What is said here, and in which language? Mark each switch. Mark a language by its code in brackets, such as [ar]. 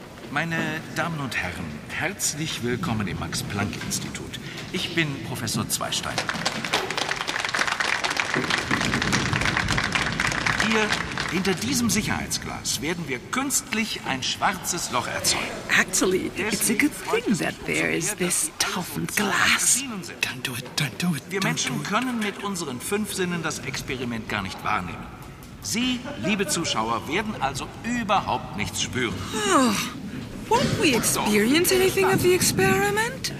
[de] Meine Damen und Herren, herzlich willkommen im Max-Planck-Institut. Ich bin Professor Zweistein. Hier, hinter diesem Sicherheitsglas, werden wir künstlich ein schwarzes Loch erzeugen. [en] Actually, it's a good thing that there is this toughened glass. Don't do it. [de] Wir Menschen können mit unseren 5 Sinnen das Experiment gar nicht wahrnehmen. Sie, liebe Zuschauer, werden also überhaupt nichts spüren. [en] Oh, won't we experience anything of the experiment?